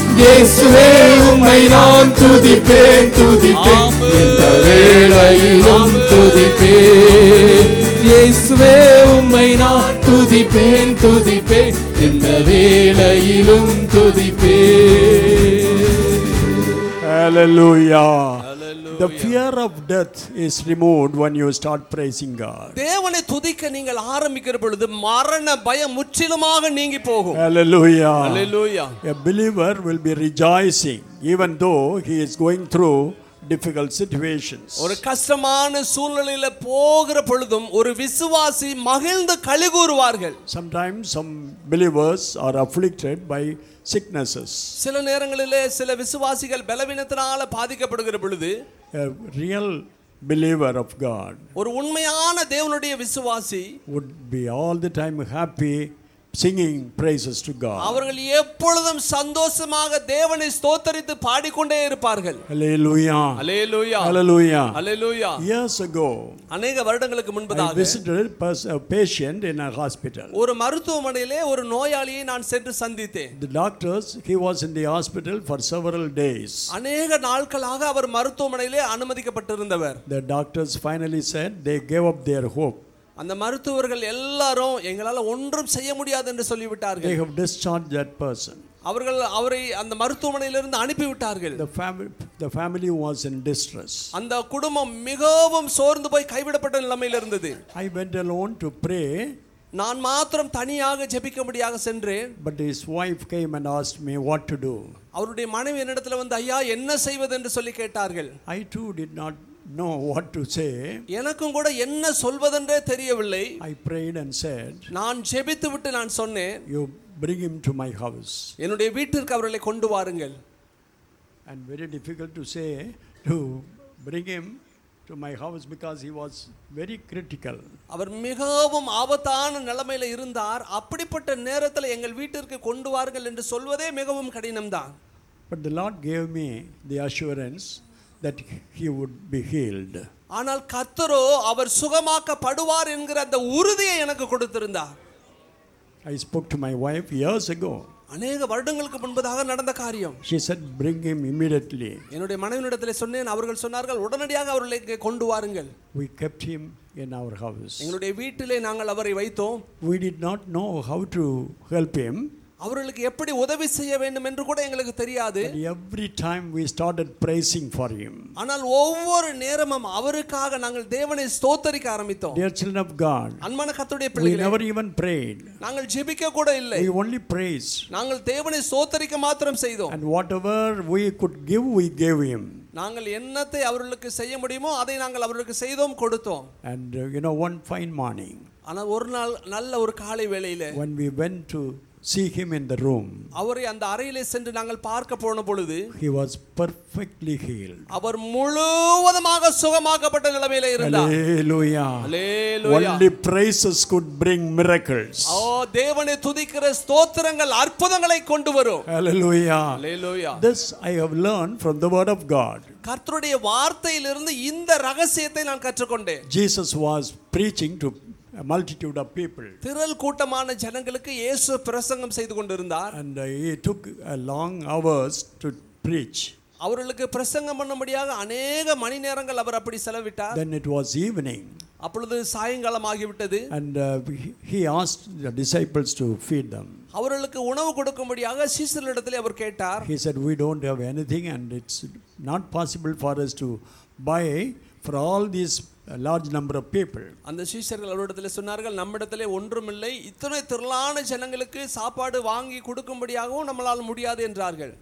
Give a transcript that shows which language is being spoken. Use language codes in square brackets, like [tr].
[ta] இயேசுவே உம்மை நான் துதிப்பேன், துதிப்பேன் எந்த வேளையிலும் துதிப்பேன். இயேசுவே உம்மை நான் துதிப்பேன், துதிப்பேன் இந்த வேளையிலும் துதிப்பேன். ஹல்லேலூயா. [en] The fear of death is removed when you start praising God. [ta] தேவனை துதிக்க நீங்கள் ஆரம்பிக்கிற பொழுது மரண பயம் முற்றிலுமாக நீங்கி போகும். [en] Hallelujah. Hallelujah. A believer will be rejoicing even though he is going through difficult situations. [ta] ஒரு கஷ்டமான சூழ்நிலையில போகிற பொழுதும் ஒரு விசுவாசி மகிழ்ந்து களி கூறுவார்கள். [en] Sometimes some believers are afflicted by sicknesses. [ta] சில நேரங்களிலே சில விசுவாசிகள் பலவீனத்தினால பாதிக்கப்படுகிற பொழுது, [en] a real believer of God, [ta] ஒரு உண்மையான தேவனுடைய விசுவாசி, [en] would be all the time happy singing praises to God. [ta] அவர்கள் எப்பொழுதும் சந்தோஷமாக தேவனை ஸ்தோத்தரித்து பாடிக்கொண்டே இருப்பார்கள். [en] Hallelujah. Hallelujah. Hallelujah. Hallelujah. Years ago, [ta] அநேக வருடங்களுக்கு முன்பதாக, [en] I visited a patient in a hospital. [ta] ஒரு மருத்துவமனையிலே ஒரு நோயாளியை நான் சென்று சந்தித்தேன். [en] The doctors, he was in the hospital for several days. [ta] அநேக நாட்களாக அவர் மருத்துவமனையிலே அனுமதிக்கப்பட்டிருந்தவர். [en] The doctors finally said they gave up their hope. [ta] அந்த மருத்துவர்கள் எல்லாரும் எங்களால் ஒன்றும் செய்ய முடியாது என்று சொல்லிவிட்டார்கள். [en] They have discharged that person. [ta] அவர்கள் அவரை அந்த மருத்துவமனையிலிருந்து அனுப்பிவிட்டார்கள். [en] The family was in distress. [ta] அந்த குடும்பம் மிகவும் சோர்ந்து போய் கைவிடப்பட்ட நிலையில் இருந்தது. [en] I went alone to pray. [ta] நான் மாத்திரம் தனியாக ஜெபிக்க முடியாக சென்றேன். [en] But his wife came and asked me what to do. [ta] அவருடைய மனைவி என்னிடத்தில் வந்து, ஐயா என்ன செய்வது என்று சொல்லி கேட்டார்கள். [en] I too did not know what to say. [ta] எனக்கும் கூட என்ன சொல்வதென்றே தெரியவில்லை. [en] I prayed and said, [ta] நான் ஜெபித்துவிட்டு நான் சொன்னேன், [en] you bring him to my house. [ta] என்னுடைய வீட்டிற்கு அவர்களை கொண்டு வாருங்கள். [en] And very difficult to say to bring him to my house because he was very critical. [ta] அவர் மிகவும் ஆபத்தான நிலையில் இருந்தார். அப்படிப்பட்ட நேரத்தில் எங்கள் வீட்டிற்கு கொண்டு வாருங்கள் என்று சொல்வதே மிகவும் கடினம்தான். [en] But the Lord gave me the assurance that he would be healed. [ta] ஆனால் கர்த்தரோ அவர் சுகமாக்கப்படுவார் என்கிற அந்த உறுதியை எனக்கு கொடுத்திருந்தார். [en] I spoke to my wife years ago. [ta] அநேக வருடங்களுக்கு முன்பதாக நடந்த காரியம். [en] She said bring him immediately. [ta] என்னுடைய மனைவியிடத்தில் சொன்னேன். அவர்கள் சொன்னார்கள், உடனடியாக அவர்களை இங்கே கொண்டு வாருங்கள். [en] We kept him in our house. [ta] எங்களுடைய வீட்டிலே நாங்கள் அவரை வைத்தோம். [en] We did not know how to help him. [ta] அவர்களுக்கு எப்படி உதவி செய்ய வேண்டும் என்று கூட எங்களுக்கு தெரியாது. [en] Every time we started praising for him. [ta] ஆனால் ஒவ்வொரு நேரமும் அவருக்காக நாங்கள் தேவனை ஸ்தோத்தரிக்க ஆரம்பித்தோம். [en] Dear children of God. [ta] அன்பான கர்த்தருடைய பிள்ளைகளே. [en] We never even prayed. [ta] நாங்கள் ஜெபிக்க கூட இல்லை. [en] We only praise. [ta] நாங்கள் தேவனை ஸ்தோத்தரிக்க மட்டும் செய்தோம். [en] And whatever we could give, we gave him. [ta] நாங்கள் என்னத்தை அவர்களுக்கு செய்ய முடியுமோ அதை நாங்கள் அவர்களுக்கு செய்தோம், கொடுத்தோம். [en] And you know, one fine morning. [ta] ஆனால் ஒரு நாள் நல்ல ஒரு காலை வேளையிலே. [en] When we went to see him in the room, [ta] அவரை அந்த அறையிலே சென்று நாங்கள் பார்க்க போன பொழுது, [en] he was perfectly healed. [ta] அவர் முழுவதுமாக சுகமாக்கப்பட்ட நிலையிலே இருந்தார். [en] Hallelujah. Hallelujah. Only praises could bring miracles. [ta] ஓ, தேவனை துதிக்கிற ஸ்தோத்திரங்கள் அற்புதங்களை கொண்டு வரும். [en] Hallelujah. Hallelujah. This I have learned from the word of God. [ta] கர்த்தருடைய வார்த்தையிலிருந்து இந்த ரகசியத்தை நான் கற்றுக்கொண்டேன். [en] Jesus was preaching to a multitude of people. [ta] திரல் கூட்டமான ஜனங்களுக்கு இயேசு பிரசங்கம் செய்து கொண்டிருந்தார். [en] And he took a long hours to preach. [ta] அவர்களுக்கு பிரசங்கம் பண்ணும்படியாக அநேக மணி நேரங்கள் அவர் அப்படி செலவிட்டார். [en] Then it was evening. [ta] அப்பொழுது சாயங்காலம் ஆகிவிட்டது. [en] And he asked the disciples to feed them. [ta] அவர்களுக்கு உணவு கொடுக்கும்படியாக சீஷர்களிடத்தில் அவர் கேட்டார். [en] He said, we don't have anything and it's not possible for us to buy for all these a large number of people. [ta] அந்த சீஷர்கள் அவரிடத்தில் சொன்னார்கள், நம்மிடத்திலே ஒன்றும் இல்லை, இத்தனை திரளான ஜனங்களுக்கு சாப்பாடு வாங்கி கொடுக்கும்படியாகவும் நம்மளால் முடியாது என்றார்கள்.